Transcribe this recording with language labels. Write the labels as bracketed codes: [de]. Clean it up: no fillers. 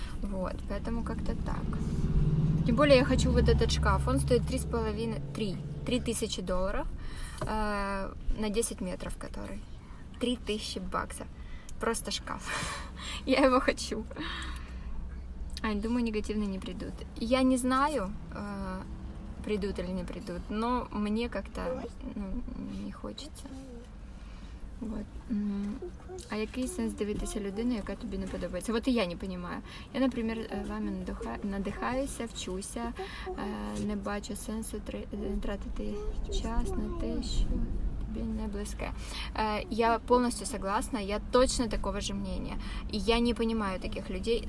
[ru] Вот, поэтому как-то так. Тем более я хочу вот этот шкаф, он стоит 3 тысячи долларов на 10 метров который. 3 тысячи баксов. Просто шкаф. Я его хочу. Ань, думаю, негативные не придут. Я не знаю, придут или не придут, но мне как-то не хочется. Вот. [uk] А який сенс дивитися людину, яка тобі не подобається? Вот і [ru] я не понимаю. [uk] Я, наприклад, вами надихаюся, вчуся, не бачу сенсу тратити час на те, що... [ru] не близкая. Я полностью согласна, я точно такого же мнения. И я не понимаю таких людей.